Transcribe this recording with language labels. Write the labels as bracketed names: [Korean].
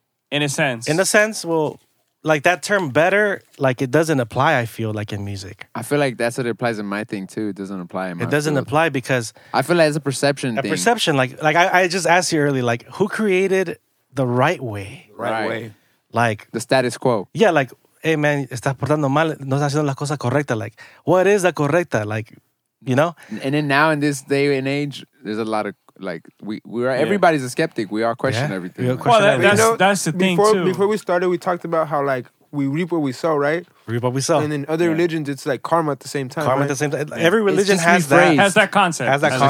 [English] In a sense, well, like that term better, like it doesn't apply, I feel like, in music. I feel like that's what it applies in my thing, too. It doesn't apply in my field. It doesn't apply because... I feel like it's a perception thing. A perception. Like I just asked you earlier, like, who created the right way? Right way. Like... The status quo. Yeah, like, hey, man, [Spanish] estás portando mal, no estás haciendo las cosas correctas. [English] Like, what is [Spanish] la correcta? [English] Like, you know? And then now, in this day and age, there's a lot of... Like we are everybody's a skeptic. We all question everything. Well, that's the thing before, too. Before we started, we talked about how like we reap what we sow, right? Reap what we sow. And in other religions, it's like karma at the same time. Karma right? at the same time. Yeah. Every religion has that concept.